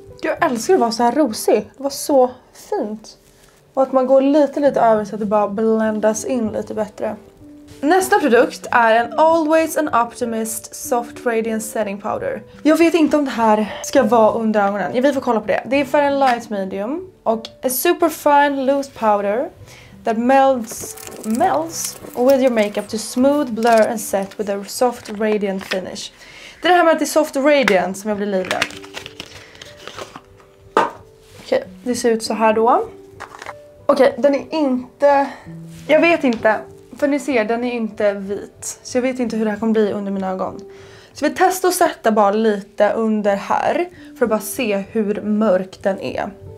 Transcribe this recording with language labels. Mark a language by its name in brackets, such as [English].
[Swedish] Jag älskar att vara så här rosig. Det var så fint. Och att man går lite över så att det bara blendas in lite bättre. Nästa produkt är en Always an Optimist Soft Radiance Setting Powder. Jag vet inte om det här ska vara under ögonen. Ja, vi får kolla på det. Det är för en light medium. [English] Och a super fine loose powder that melts with your makeup to smooth, blur and set with a soft radiant finish. [Swedish] Det är det här med att det är soft radiant som jag blir livrädd. Okej, okay, det ser ut så här då. Okej, okay, den är inte... Jag vet inte. För ni ser, den är inte vit. Så jag vet inte hur det här kommer bli under mina ögon. Så vi testar att sätta bara lite under här. För att bara se hur mörk den är.